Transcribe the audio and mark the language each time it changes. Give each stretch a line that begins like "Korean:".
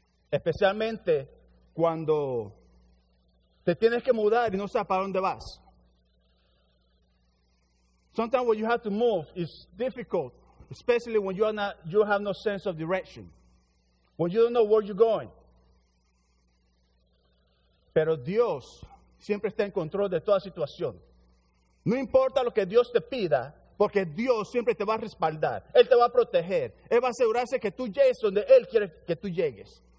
Spanish: Especialmente cuando te tienes que mudar y no sabes para dónde vas.
English: Sometimes when you have to move, it's difficult, especially when you have no sense of direction. When you don't know where you're going.
Spanish: Pero Dios siempre está en control de toda situación. No importa lo que Dios te pida, porque Dios siempre te va a respaldar. Él te va a proteger. Él va a asegurarse que tú llegues donde Él quiere que tú llegues.